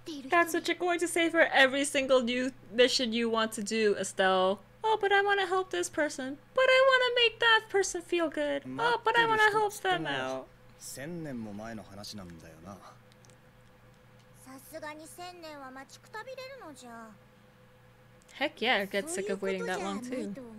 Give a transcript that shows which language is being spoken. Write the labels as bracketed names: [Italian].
[English] That's what you're going to say for every single new mission you want to do, Estelle. Oh, but I want to help this person. But I want to make that person feel good. Oh, but I want to help them out. [Japanese] 千年も前の話なんだよな。さすがに千年は待ちくたびれるのじゃ。 [English] Heck yeah, I get sick of waiting that long too.